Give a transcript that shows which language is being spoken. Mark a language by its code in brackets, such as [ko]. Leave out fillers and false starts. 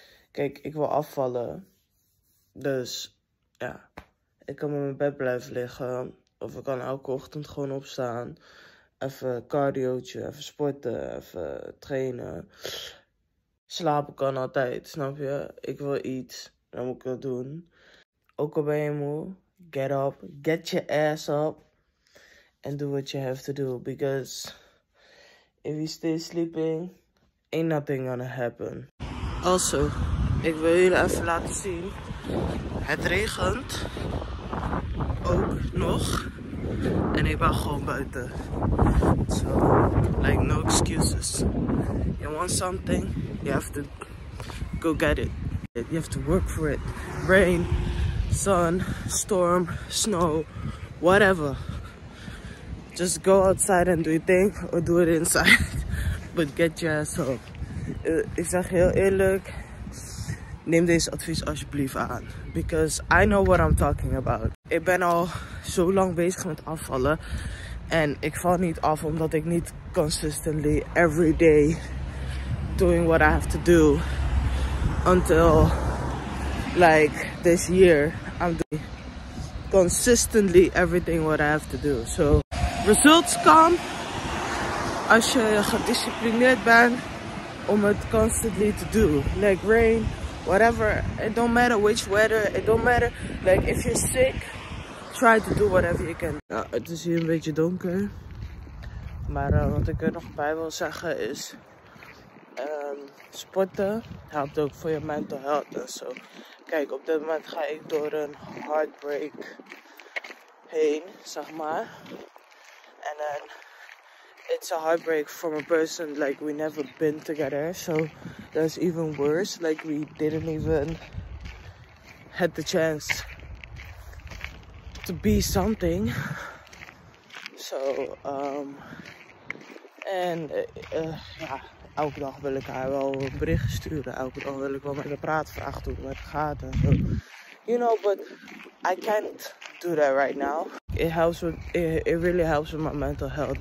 [nl] Kijk, ik wil afvallen. Dus ja, ik kan in mijn bed blijven liggen. Of ik kan elke ochtend gewoon opstaan. Even cardiootje, even sporten, even trainen. Slapen kan altijd, snap je? Ik wil iets, dan moet ik dat doen. Ook al ben je moe, [en] get up, get your ass up. And do what you have to do, because if you stay sleeping, ain't nothing gonna happen. [nl] Also, ik wil jullie even laten zien. Het regent. Ook nog. En ik ben gewoon buiten. [en] So, like, no excuses. You want something? You have to go get it. You have to work for it. Rain, sun, storm, snow, whatever. Just go outside and do your thing or do it inside. But get your ass up. [nl] Ik zeg heel eerlijk, neem deze advies alsjeblieft aan. [en] Because I know what I'm talking about. [nl] Ik ben al zo lang bezig met afvallen. En ik val niet af omdat ik niet [en] consistently every day doing what I have to do. Until like this year, I'm doing consistently everything what I have to do. So results come [nl] als je gedisciplineerd bent om het [en] constantly [nl] te doen. [en] Like rain, whatever. It don't matter which weather. It don't matter. Like if you're sick, try to do whatever you can. [nl] Ja, het is hier een beetje donker. Maar wat ik er nog bij wil zeggen is, sporten helpt ook voor je mental health en zo. Kijk, op dit moment ga ik door een heartbreak heen, zeg maar. En dan, [en] it's a heartbreak from a person, like, we never been together. So, that's even worse. Like, we didn't even had the chance to be something. [nl] So, en, ja, elke dag wil ik haar wel een bericht sturen. Elke dag wil ik wel met haar praten, vragen hoe het gaat en zo. [en] You know, but I can't do that right now. It helps with, it really helps with my mental health.